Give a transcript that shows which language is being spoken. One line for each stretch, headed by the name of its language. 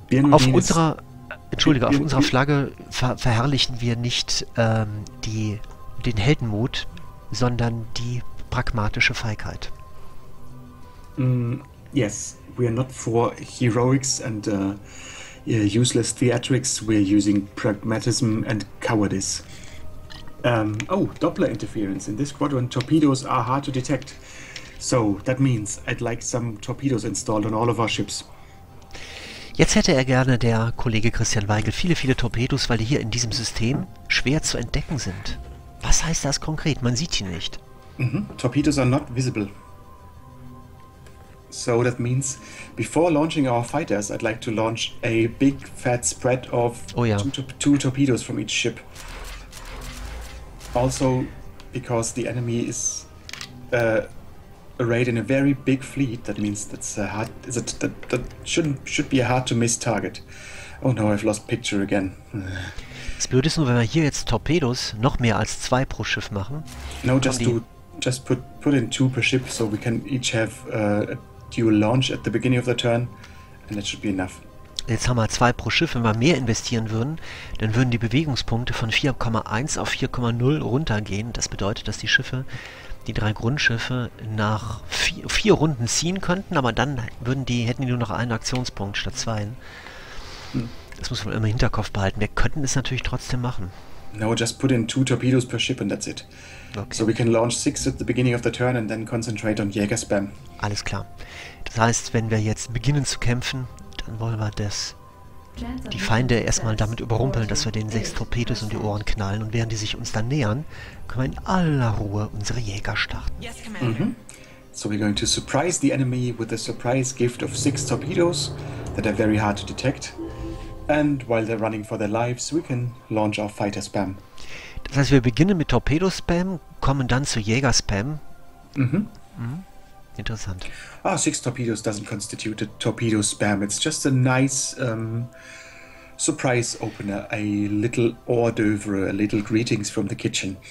German: Auf unserer Flagge verherrlichen wir nicht den Heldenmut, sondern die pragmatische Feigheit.
English: Yes, we are not for heroics and useless theatrics, we are using pragmatism and cowardice. Oh, Doppler interference. In this quadrant, torpedoes are hard to detect. So, that means I'd like some torpedoes installed on all of our ships.
German: Jetzt hätte er gerne, der Kollege Christian Weigel, viele, viele Torpedos, weil die hier in diesem System schwer zu entdecken sind. Was heißt das konkret? Man sieht sie nicht.
English: Mm-hmm. Torpedoes are not visible. So that means, before launching our fighters, I'd like to launch a big fat spread of two torpedoes from each ship. Also, because the enemy is arrayed in a very big fleet, that means that's a hard, is it, that, that should be a hard to miss target. Oh no, I've lost picture again.
German: Das Blöde ist nur, wenn wir hier jetzt Torpedos noch mehr als zwei pro Schiff machen.
English: No, just put in two per ship, so we can each have a dual launch at the beginning of the turn, and that should be enough.
German: Jetzt haben wir zwei pro Schiff. Wenn wir mehr investieren würden, dann würden die Bewegungspunkte von 4,1 auf 4,0 runtergehen. Das bedeutet, dass die Schiffe, die drei Grundschiffe, nach vier Runden ziehen könnten, aber dann hätten die nur noch einen Aktionspunkt statt zwei. Hm. Das muss man immer im Hinterkopf behalten. Wir könnten es natürlich trotzdem machen.
English: No, just put in two torpedoes per ship and that's it. Okay. So we can launch six at the beginning of the turn and then concentrate on Jäger spam.
German: Alles klar. Das heißt, wenn wir jetzt beginnen zu kämpfen, dann wollen wir die Feinde erstmal damit überrumpeln, dass wir denen sechs Torpedos in die Ohren knallen. Und während die sich uns dann nähern, können wir in aller Ruhe unsere Jäger starten.
English: Yes, Commander. Mm-hmm. So we're going to surprise the enemy with a surprise gift of six torpedoes that are very hard to detect. And while they're running for their lives, we can launch our fighter spam.
German: Das heißt, wir beginnen mit Torpedo-Spam, kommen dann zu Jäger-Spam. Mhm. Mhm. Interessant.
English: Ah, six torpedoes doesn't constitute a torpedo spam. It's just a nice surprise opener, a little hors d'oeuvre, a little greetings from the kitchen.